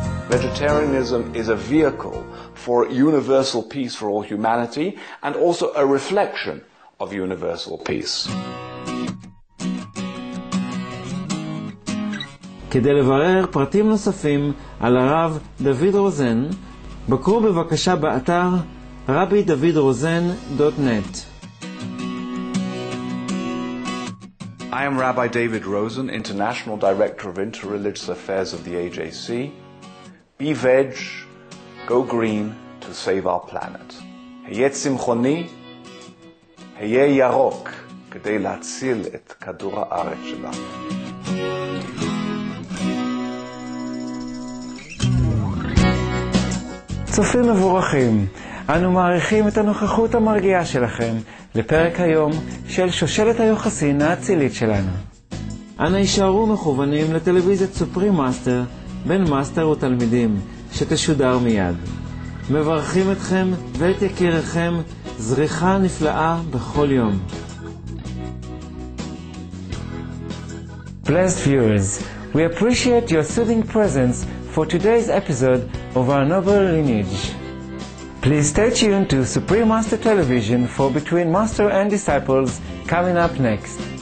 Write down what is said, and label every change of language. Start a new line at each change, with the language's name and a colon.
English: Vegetarianism is a vehicle for universal peace for all humanity and also a reflection of universal peace.
Hebrew: כדי לברר פרטים נוספים על הרב דוד רוזן, בקרו בבקשה באתר rabbidavidrosen.net.
English: I am Rabbi David Rosen, International Director of Interreligious Affairs of the AJC. Be veg, go green to save our planet.
Hebrew: Heye tzimchoni, heye yarok, kedei latzil et kadur haaretz shelanu. צופים מבורכים, אנו מעריכים את הנוכחות המרגיעה שלכם לפרק היום של שושלת היוחסין האצילית שלנו. אנו יישארו מכוונים לטלוויזיית סופרים מאסטר בין מאסטר ותלמידים שתשודר מיד. מברכים אתכם ואת יקיריכם זריחה נפלאה בכל יום.
English: Blessed viewers, we appreciate your soothing presence for today's episode of our noble lineage. Please stay tuned to Supreme Master Television for Between Master and Disciples coming up next.